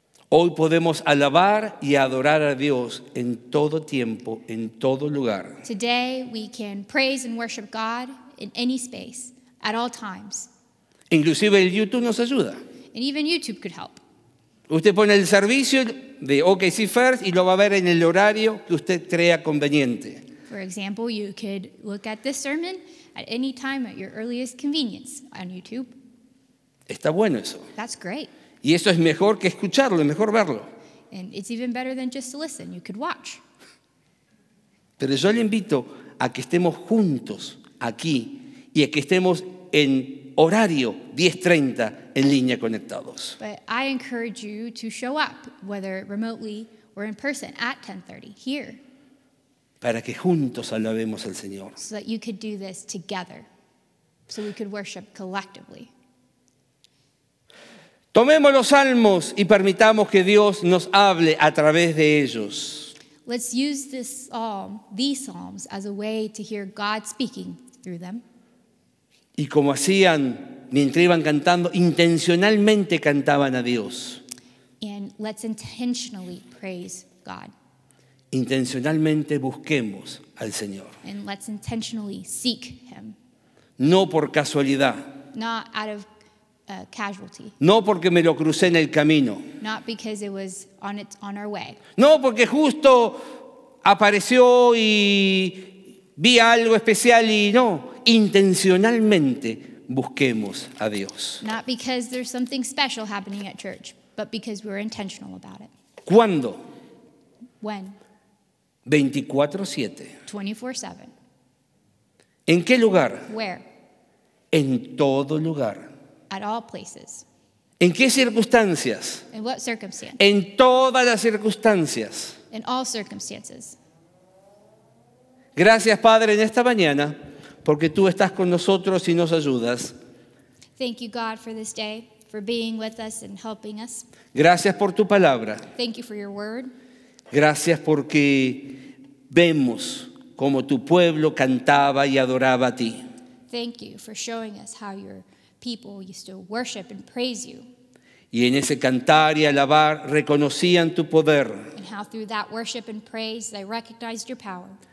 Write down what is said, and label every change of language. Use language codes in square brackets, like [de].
[es] Hoy podemos alabar y adorar a Dios en todo tiempo, en todo lugar. [en] Today we can praise and worship God in any space, at all times. [es] Inclusive el YouTube nos ayuda. [en] And even YouTube could help. [es] Usted pone el servicio de OKC First y lo va a ver en el horario que usted crea conveniente. [en] For example, you could look at this sermon at any time at your earliest convenience on YouTube. [es] Está bueno eso. [en] That's great. [es] Y eso es mejor que escucharlo, es mejor verlo. [en] And it's even better than just to listen. You could watch. [es] Pero yo le invito a que estemos juntos aquí y a que estemos en horario 10:30 en línea conectados. [en] But I encourage you to show up, whether remotely or in person, at 10:30 here. [es] Para que juntos alabemos al Señor. [en] So that you could do this together. So we could worship collectively. [es] Tomemos los salmos y permitamos que Dios nos hable a través de ellos. [en] Let's use this psalm, these psalms, as a way to hear God speaking through them. [es] Y como hacían mientras iban cantando, intencionalmente cantaban a Dios. [en] And let's intentionally praise God. [es] Intencionalmente busquemos al Señor. [en] And let's intentionally seek him. [es] No por casualidad. [en] Not out of casualty. [es] No porque me lo crucé en el camino. [en] Not because it was on our way. [es] No porque justo apareció y vi algo especial y no. Intencionalmente busquemos a Dios. [en] Not because there's something special happening at church, but because we're intentional about it. [es] ¿Cuándo? [en] When? [es] 24/7. [en] 24/7. [es] ¿En qué lugar? [en] Where? [es] En todo lugar. [en] At all places. [es] ¿En qué circunstancias? [en] In what circumstances? [es] En todas las circunstancias. [en] In all circumstances. [es] Gracias, Padre, en esta mañana, porque tú estás con nosotros y nos ayudas. [en] Thank you, God, for this day, for being with us and helping us. [es] Gracias por tu palabra. [en] Thank you for your word. [es] Gracias porque vemos cómo tu pueblo cantaba y adoraba a ti. [en] Thank you for showing us how your people used to worship and praise you. [es] Y en ese cantar y alabar reconocían tu poder. [en] And how through that worship and praise they recognized your power.